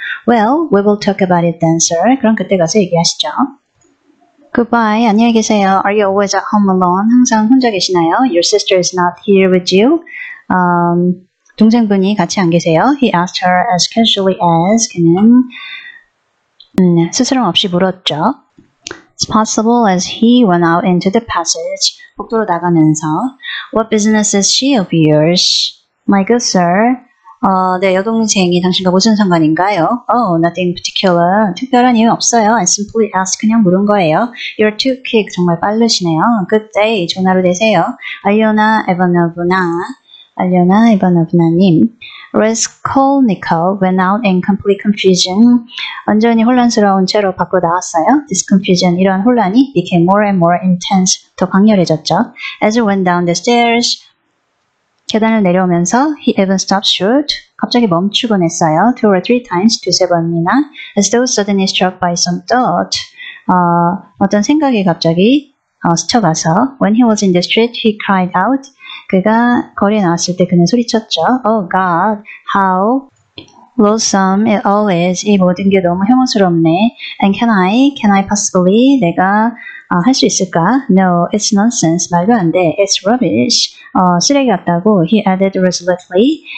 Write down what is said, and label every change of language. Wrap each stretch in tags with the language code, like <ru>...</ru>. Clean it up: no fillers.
<en>Well, we will talk about it then, sir.</en> <ko>그럼 그때 가서 얘기하시죠.</ko> <en>Goodbye.</en> <ko>안녕히 계세요.</ko> <en>Are you always at home alone?</en> <ko>항상 혼자 계시나요?</ko> <en>Your sister is not here with you.</en> <ko>동생분이 같이 안 계세요.</ko> <en>He asked her as casually as.</en> <ko>그는 스스럼 없이 물었죠.</ko> <en>It's possible as he went out into the passage.</en> <ko>복도로 나가면서.</ko> <en>What business is she of yours? My good sir.</en> <ko>네, 여동생이 당신과 무슨 상관인가요?</ko> <en>Oh, nothing particular.</en> <ko>특별한 이유 없어요.</ko> <en>I simply asked.</en> <ko>그냥 물은 거예요.</ko> <en>You're too quick.</en> <ko>정말 빠르시네요.</ko> <en>Good day.</en> <ko>좋은 하루 되세요.</ko> <en>Alyona Ivanovna. Alyona Ivanovna님. Raskolnikov went out in complete confusion.</en> <ko>완전히 혼란스러운 채로 밖으로 나왔어요.</ko> <en>This confusion,</en> <ko>이러한 혼란이</ko> <en>became more and more intense.</en> <ko>더 강렬해졌죠.</ko> <en>As it went down the stairs,</en> <ko>계단을 내려오면서</ko> <en>he even stopped short,</en> <ko>갑자기 멈추곤 했어요.</ko> <en>Two or three times,</en> <ko>두세 번이나.</ko> <en>As though suddenly struck by some thought,</en> <ko>어떤 생각이 갑자기 스쳐가서.</ko> <en>When he was in the street, he cried out.</en> <ko>그가 거리에 나왔을 때 그는 소리쳤죠.</ko> <en>Oh God, how loathsome it all is.</en> <ko>이 모든 게 너무 혐오스럽네.</ko> <en>And can I possibly,</en> <ko>내가 할 수 있을까?</ko> <en>No, it's nonsense.</en> <ko>말도 안 돼.</ko> <en>It's rubbish.</en> <ko>쓰레기 같다고</ko> <en>he added resolutely.</en>